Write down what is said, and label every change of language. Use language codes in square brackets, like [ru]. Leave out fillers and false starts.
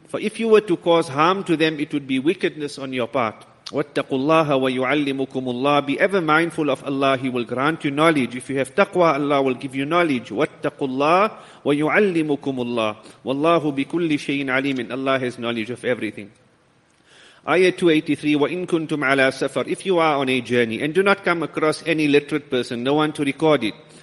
[en] For if you were to cause harm to them, it would be wickedness on your part. [ar] وَاتَّقُوا اللَّهَ وَيُعَلِّمُكُمُ اللَّهُ. [en] Be ever mindful of Allah, He will grant you knowledge. If you have taqwa, Allah will give you knowledge. [ar] وَاتَّقُوا اللَّهَ وَيُعَلِّمُكُمُ اللَّهُ. وَاللَّهُ بِكُلِّ شَيْءٍ عَلِيمٍ. [en] Allah has knowledge of everything. Ayah 283, [ar] وَإِن كُنْتُمْ عَلَى سَفَرْ. [en] If you are on a journey, and do not come across any literate person, no one to record it.